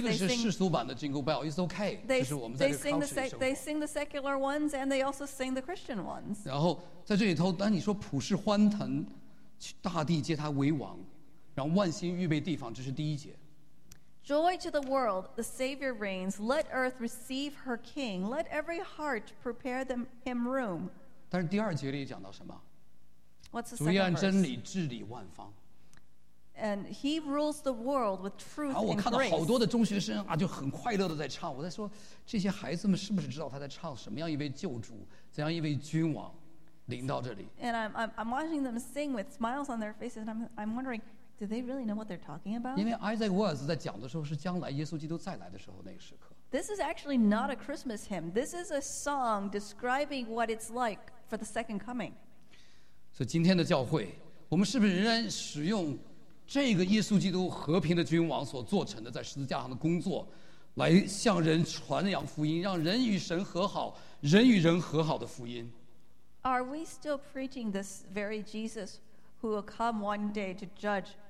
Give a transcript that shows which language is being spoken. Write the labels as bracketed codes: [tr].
[zh] 一个是世俗版的 Jingle Bell， [en] it's okay， [zh] 就是我们在这个 country 里。 [en] They sing the secular ones and they also sing the Christian ones. [zh] 然后在这里头，当你说普世欢腾，大地皆他为王。然后万星预备地方，这是第一节。 [en] Joy to the world, the Savior reigns. Let earth receive her King. Let every heart prepare him room. [zh] 但是第二节里讲到什么？ [en] What's the second verse? [zh] 主按真理治理万方。 [en] And he rules the world with truth and grace. [zh] 我看到好多的中学生啊，就很快乐的在唱。我在说，这些孩子们是不是知道他在唱什么样一位救主，怎样一位君王临到这里 [en] ？And I'm watching them sing with smiles on their faces, and I'm wondering. Do they really know what they're talking about? [zh] 因为 Isaac Watts 在讲的时候是将来耶稣基督再来的时候那个时刻。 [en] This is actually not a Christmas hymn. This is a song describing what it's like for the second coming. [zh] 所以今天的教会，我们是不是仍然使用这个耶稣基督和平的君王所做成的在十字架上的工作，来向人传扬福音，让人与神和好，人与人和好的福音 [en] ？Are we still preaching this very Jesus? Who will come one day to judge?